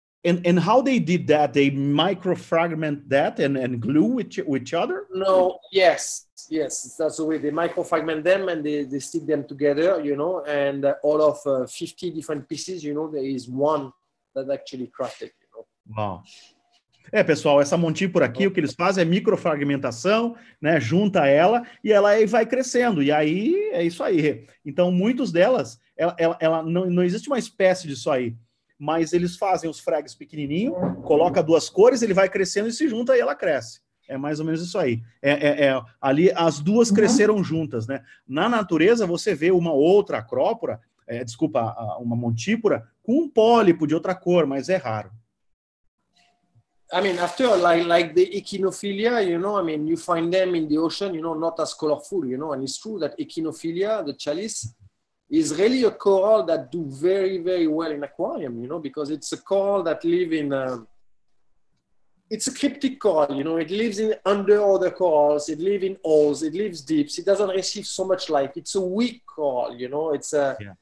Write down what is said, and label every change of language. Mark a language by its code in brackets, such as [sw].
[en] And how they did that? They microfragment that and glue with each other? No, yes, that's the way they microfragment them, and they stick them together, you know. And all of 50 different pieces, you know, there is one that actually crafted, you know. Wow. [pt] É, pessoal, essa montípora aqui, o que eles fazem é microfragmentação, né, junta ela, e ela aí vai crescendo, e aí é isso aí. Então, muitos delas, ela não existe uma espécie disso aí, mas eles fazem os frags pequenininho, coloca duas cores, ele vai crescendo e se junta, e ela cresce. É mais ou menos isso aí. Ali, as duas cresceram juntas, né? Na natureza, você vê uma outra acrópora, uma montípora, com um pólipo de outra cor, mas é raro. [en] I mean, after like the echinophilia, you know, I mean, you find them in the ocean, you know, not as colorful, you know, and it's true that echinophilia, the chalice, is really a coral that do very, very well in aquarium, you know, because it's a coral that live in, it's a cryptic coral, you know, it lives in under other corals, it lives in holes, it lives deep, it doesn't receive so much light, it's a weak coral, you know, it's a,